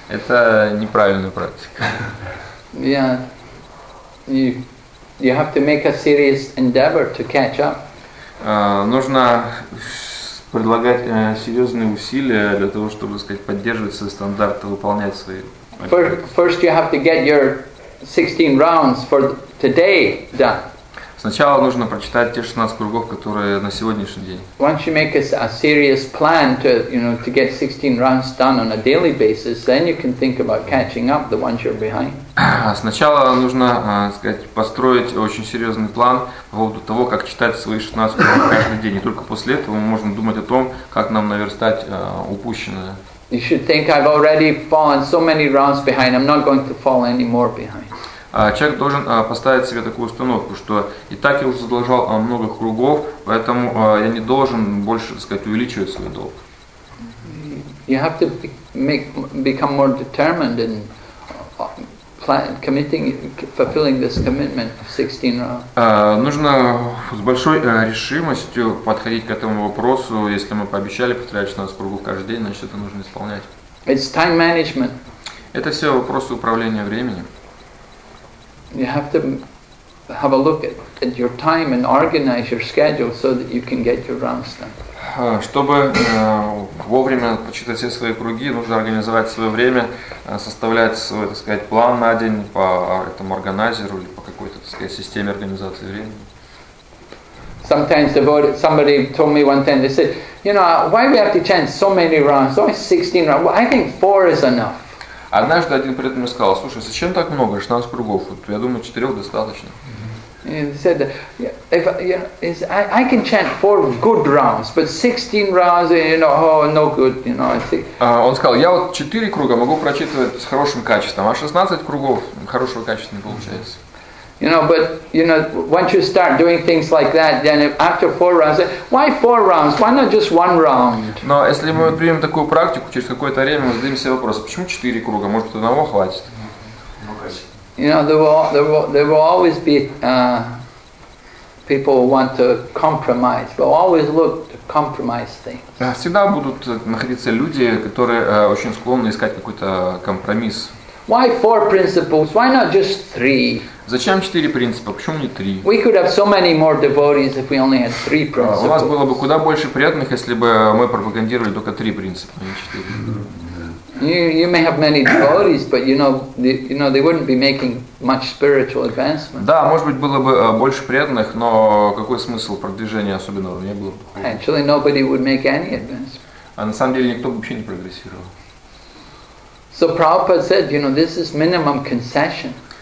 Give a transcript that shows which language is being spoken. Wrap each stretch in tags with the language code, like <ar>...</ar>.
<ru>Это неправильная практика.</ru> <en>Yeah. You have to make a serious endeavor to catch up.</en> <ru>Нужно предлагать серьезные усилия для того, чтобы, так сказать, поддерживать свой стандарт и выполнять свои.</ru> <en>First, you have to get your 16 rounds for today done.</en> <ru>Сначала нужно прочитать те 16 кругов, которые на сегодняшний день.</ru> <en>Once you make a serious plan to, you know, to get 16 rounds done on a daily basis, then you can think about catching up the ones you're behind.</en> <ru>Сначала нужно, сказать, построить очень серьезный план по поводу того, как читать свои 16 кругов каждый день. И только после этого мы можем думать о том, как нам наверстать упущенное.</ru> <en>You should think, I've already fallen so many rounds behind, I'm not going to fall any more behind.</en> <ru>Человек должен поставить себе такую установку, что и так я уже задолжал много кругов, поэтому я не должен больше, так сказать, увеличивать свой долг.</ru> <en>You have to become more determined in committing, fulfilling this commitment of 16 rounds.</en> <ru>Нужно с большой решимостью подходить к этому вопросу. Если мы пообещали повторять 16 кругов каждый день, значит, это нужно исполнять.</ru> <en>It's time management.</en> <ru>Это все вопросы управления временем.</ru> <en>You have to have a look at your time and organize your schedule so that you can get your rounds done.</en> <ru>Чтобы вовремя прочитать все свои круги, нужно организовать свое время, составлять свой, так сказать, план на день по этому органайзеру или по какой-то, так сказать, системе организации времени.</ru> <en>Sometimes somebody told me one time, they said, you know, why we have to chant so many rounds? Only 16 rounds. Well, I think 4 is enough.</en> <ru>Однажды один предмет мне сказал, слушай, зачем так много, 16 кругов? Вот, я думаю, 4 достаточно.</ru> <en>He said, if I can chant 4 good rounds, but 16 rounds, you know, oh, no good, you know.</en> <ru>Он сказал, я вот 4 круга могу прочитывать с хорошим качеством, а 16 кругов хорошего качества не получается.</ru> <en>You know, but you know, once you start doing things like that, then after 4 rounds, why 4 rounds? Why not just 1 round?</en> <ru>Но если мы примем такую практику, через какое-то время мы зададим себе вопрос, почему 4 круга? Может, одного хватит?</ru> <en>You know, there will always be people who want to compromise. But always look to compromise things.</en> <ru>Всегда будут находиться люди, которые очень склонны искать какой-то компромисс.</ru> <en>Why 4 principles? Why not just 3?</en> <ru>Зачем 4 принципа? Почему не 3?</ru> <en>We could have so many more devotees if we only had 3 principles.</en> <ru>У нас было бы куда больше преданных, если бы мы пропагандировали только 3 принципа, а не 4.</ru> <en>You may have many devotees, but you know they wouldn't be making much spiritual advancement.</en> <ru>Да, может быть, было бы больше преданных, но какой смысл продвижения особенного не было бы?</ru> <en>Actually, nobody would make any advancement.</en> <ru>А на самом деле никто бы вообще не прогрессировал.</ru> <en>So Prabhupada said, you know, this is minimum concession.</en>